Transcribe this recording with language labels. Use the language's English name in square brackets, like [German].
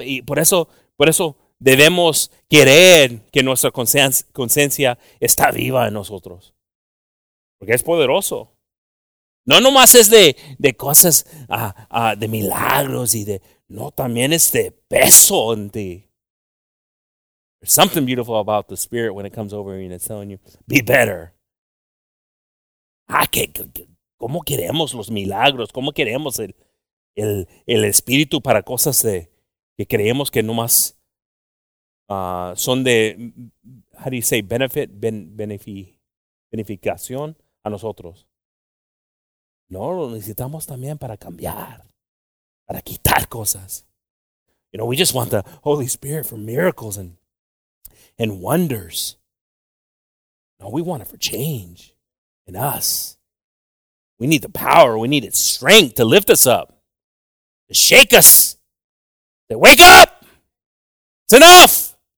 [Spanish] Y por eso debemos querer que nuestra conciencia está viva en nosotros. Porque es poderoso. No nomás es de cosas, de milagros y de... No, también es de peso en ti. [English] There's something beautiful about the Spirit when it comes over you and it's telling you, be better. [Spanish] Ah, ¿cómo queremos los milagros? ¿Cómo queremos el espíritu para cosas que creemos que nomás son de, [English] how do you say, benefit, [Spanish] beneficación a nosotros? No, lo necesitamos también para cambiar, para quitar cosas. [English] You know, we just want the Holy Spirit for miracles and wonders. No, we want it for change in us. We need the power, we need its strength to lift us up. Shake us. Say, wake up. It's enough.